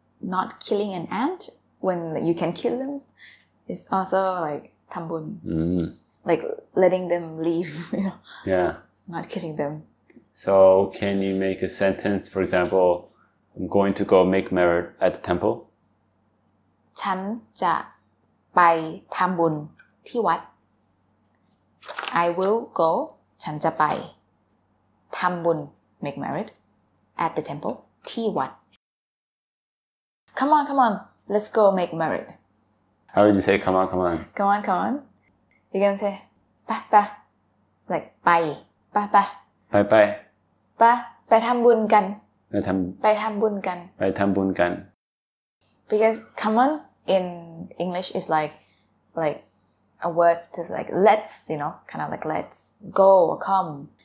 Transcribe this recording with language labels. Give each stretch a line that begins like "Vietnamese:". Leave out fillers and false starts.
English: Not killing an ant when you can kill them is also like tambun. Mm. Like letting them leave, you know. Yeah. Not killing them. So can you make a sentence, for example, I'm going to go make merit at the temple?
Thai: ฉันจะไปทำบุญที่วัด
English: I will go,
Thai: ฉันจะไปทำบุญ
English: make merit at the temple,
Thai: ที่วัด
English: Come on, come on. Let's go make merit. How would you say come on, come on? Come on, come on. You can say ba ba. Like bye. Ba ba. Bye bye.
Thai: Ba, ไปทำบุญกัน. ไป ทำบุญกัน. ไปทำบุญกัน.
English: Because come on in English is like a word to like let's, you know, kind of like let's go or come.